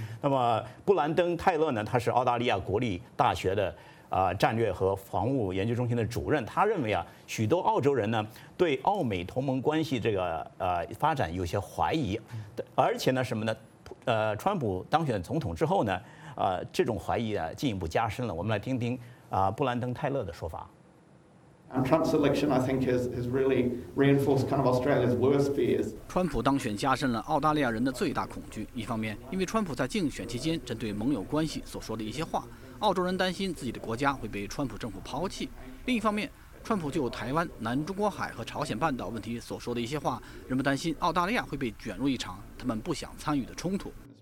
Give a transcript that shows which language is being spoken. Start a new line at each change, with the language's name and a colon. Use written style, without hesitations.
Chinese: 那么布兰登·泰勒呢，他是澳大利亚国立大学的战略和防务研究中心的主任，他认为啊，许多澳洲人呢对澳美同盟关系这个发展有些怀疑，而且呢什么呢？川普当选总统之后呢，这种怀疑啊进一步加深了。我们来听听布兰登·泰勒的说法。
English: Trump's election, I think, has really reinforced kind of Australia's worst fears.
Chinese: 川普当选加深了澳大利亚人的最大恐惧。一方面，因为川普在竞选期间针对盟友关系所说的一些话，澳洲人担心自己的国家会被川普政府抛弃；另一方面，川普就台湾、南中国海和朝鲜半岛问题所说的一些话，人们担心澳大利亚会被卷入一场他们不想参与的冲突。